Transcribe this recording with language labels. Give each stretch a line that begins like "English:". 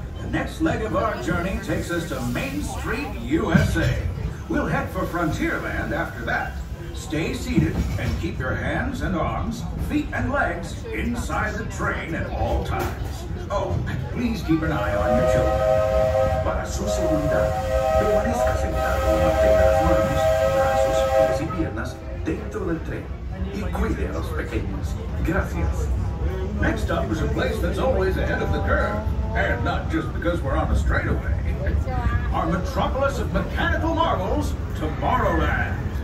English: The next leg of our journey takes us to Main Street, USA. We'll head for Frontierland after that. Stay seated and keep your hands and arms, feet and legs inside the train at all times. Oh, please keep an eye on your children.
Spanish: Para su seguridad, permanezca sentado, mantenga las manos, brazos, pies y piernas dentro del tren. Y cuide a los pequeños. Gracias.
English: Next up is a place that's always ahead of the curve. And not just because we're on a straightaway. Our metropolis of mechanical marvels, Tomorrowland.